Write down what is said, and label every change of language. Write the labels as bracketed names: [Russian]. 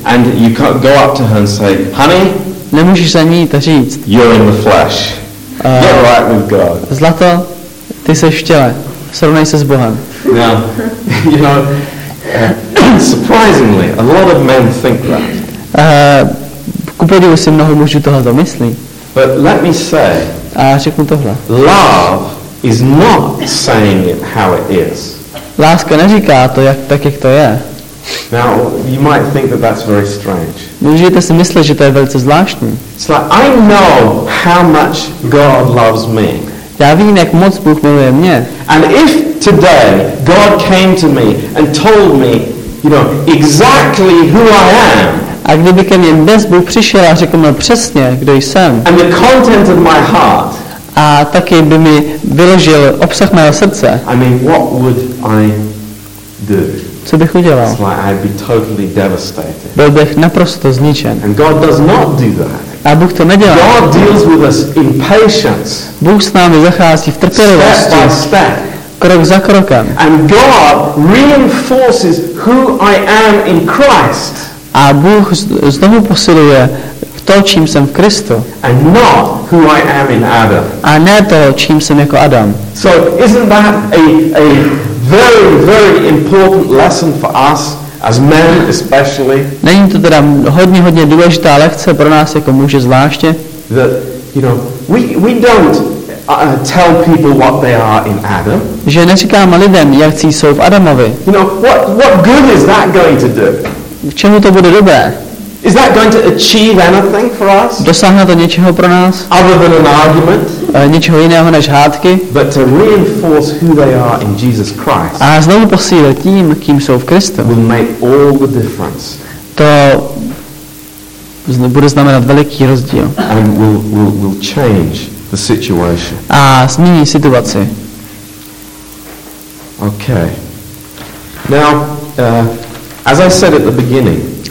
[English] And you can't go up to her and say, honey. [Czech] Nemůžeš za ní to říct. [English] You're in the flesh. You're right with God. [Czech] Zlato, ty seš v těle. Srovnej se s Bohem. [English] Now, you know, surprisingly, a lot of men think that. [Czech] Kupodivu si mnoho mužů tohleto myslí. [English] But let me say. [Czech] A řeknu tohle. [English] Love is not saying it how it is. [Czech] Láska neříká to jak, tak, jak to je. [English] Now, you might think that that's very strange. [Czech] Můžete si myslet, že to je velice zvláštní. [English] It's like, I know how much God loves me. [Czech] Já vím, jak moc Bůh miluje mě. [English] And if today God came to me and told me, you know, exactly who I am. [Czech] A kdyby ke mně dnes Bůh přišel a řekl mi přesně, kdo jsem. [English] And the content of my heart. [Czech] A taky by mi vyložil obsah mého srdce. [English] I mean, what would I do? [Czech] Co bych udělal? [English] It's like I'd be totally devastated. [Czech] Byl bych naprosto zničen. [English] And God does not do that. [Czech] A Bůh to nedělá. [English] God deals with us in patience. [Czech] Bůh s námi zachází v trpělivosti. [English] Step by step. [Czech] Krok za krokem. [English] And God reinforces who I am in Christ. [Czech] A Bůh znovu posiluje to, čím jsem v Kristu. [English] And not who I am in Adam. [Czech] A ne to, čím jsem jako Adam. [English] So isn't that a very, very important lesson for us as men especially? [Czech] Není to teda hodně, hodně důležitá lekce pro nás jako muže zvláště? [English] That, you know, we don't tell people what they are in Adam. [Czech] Že neříkáme lidem, jací jsou v Adamovi. [English] You know, what good is that going to do? [Czech] K čemu to bude dobré? [English] Is that going to achieve anything for us? [Czech] Dosáhne to něčeho pro nás? [English] Other than an argument? [Czech] Něčeho jiného než hádky? [English] But to reinforce who they are in Jesus Christ. [Czech] A znovu posílit tím, kým jsou v Kristu. [English] Will make all the difference. [Czech] To bude znamenat veliký rozdíl. [English] And will change the situation. [Czech] A změní situaci. [English] Okay. Now, as I said at the beginning,